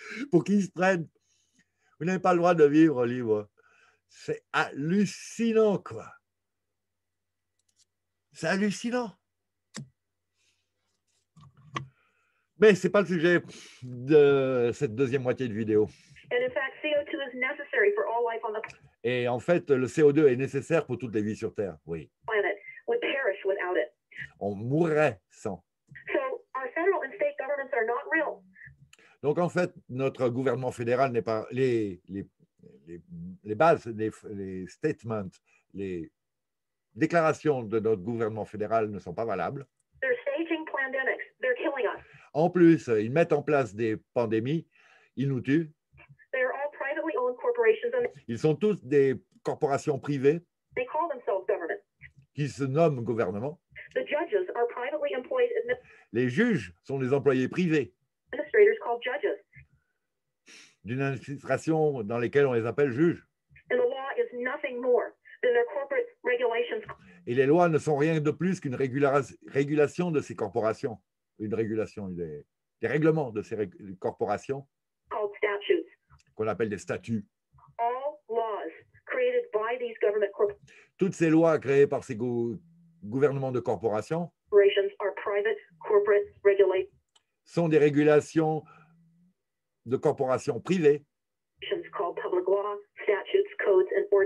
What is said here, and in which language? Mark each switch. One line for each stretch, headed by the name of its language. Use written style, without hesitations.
French: Pour qu'ils se prennent. Vous n'avez pas le droit de vivre libre. C'est hallucinant, quoi. C'est hallucinant. Mais ce n'est pas le sujet de cette deuxième moitié de vidéo.
English: And in fact, CO2 is necessary for all life on the planet.
French: Et en fait, le CO2 est nécessaire pour toutes les vies sur Terre, oui.
English: Planet would perish without it.
French: On mourrait sans.
English: So our federal and state governments are not real.
French: Donc en fait, notre gouvernement fédéral n'est pas les bases, les statements, les déclarations de notre gouvernement fédéral ne sont pas valables.
English: They're staging pandemics. They're killing us.
French: En plus, ils mettent en place des pandémies, ils nous tuent.
English: They're all privately owned corporations and
French: ils sont tous des corporations privées.
English: They call themselves government.
French: Qui se nomment gouvernement.
English: The judges are privately employed.
French: Les juges sont des employés privés.
English: Administrators called judges.
French: D'une administration dans laquelle on les appelle juges.
English: And the law is nothing more than their corporate regulations.
French: Et les lois ne sont rien de plus qu'une régulation de ces corporations. Une régulation, des règlements de ces corporations.
English: Called statutes.
French: Qu'on appelle des statuts.
English: All laws created by these government
French: toutes ces lois créées par ces gouvernements de corporations
English: are private corporate regulations.
French: Sont des régulations de corporations privées,
English: called public law, statutes, codes, and